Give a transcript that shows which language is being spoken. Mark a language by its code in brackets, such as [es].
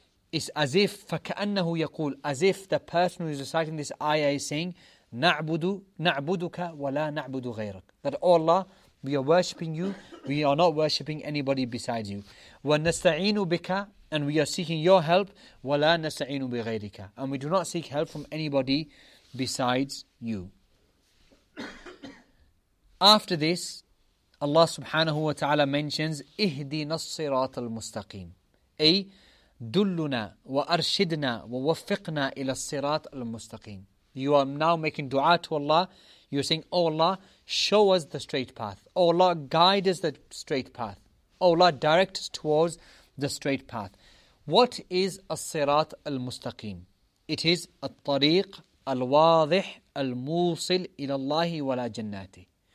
[en] It's as if, [ar] فكأنه يقول, [en] as if the person who is reciting this ayah is saying, [ar] نعبدك ولا نعبد غيرك, [en] that oh Allah, we are worshipping you, we are not worshipping anybody besides you. [ar] وَنَسْتَعِينُ بِكَ, [en] and we are seeking your help, [ar] وَلَا نَسْتَعِينُ بِغَيْرِكَ, [en] and we do not seek help from anybody besides you. After this, Allah subhanahu wa ta'ala mentions, [ar] اِهْدِنَا الصِّرَاطَ الْمُسْتَقِيمِ, أي, دُلُّنَا وَأَرْشِدْنَا وَوَفِّقْنَا إِلَى الصِّرَاطَ الْمُسْتَقِيمِ. [en] You are now making dua to Allah. You're saying, oh Allah, show us the straight path. Oh Allah, guide us the straight path. O Allah, direct us towards the straight path. What is As-Sirat Al-Mustaqim? It is [ar] At-Tariq Al-Wadih Al-Musil Ila Allahi Wa La Jannati.